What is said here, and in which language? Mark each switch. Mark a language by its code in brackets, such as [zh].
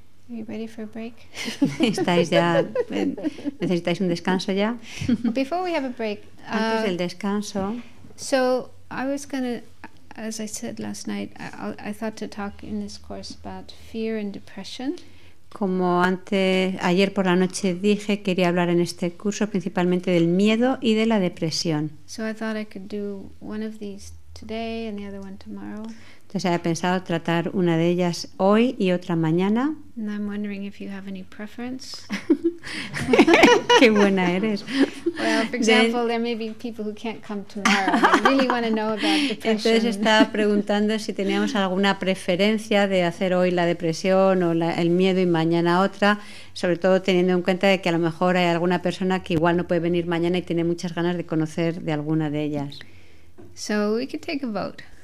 [en] Are you ready for a break? [es] ¿Estáis ya? ¿Necesitáis un descanso ya? [en] Before we have a break. [es] Antes del descanso. [en] So, I was going to, as I said last night, I thought to talk in this course about fear and depression. [es] Como antes, ayer por la noche dije, quería hablar en este curso principalmente del miedo y de la depresión. [en] So I thought I could do one of these today and the other one tomorrow. [es] Entonces había pensado tratar una de ellas hoy y otra mañana. [en] And I'm wondering if you have any preference. [es] Qué buena eres. [en] Well, for example, there may be people who can't come tomorrow. They really want to know about depression. [es] Entonces estaba preguntando si teníamos alguna preferencia de hacer hoy la depresión o el miedo y mañana otra, sobre todo teniendo en cuenta de que a lo mejor hay alguna persona que igual no puede venir mañana y tiene muchas ganas de conocer de alguna de ellas. [en] So we could take a vote.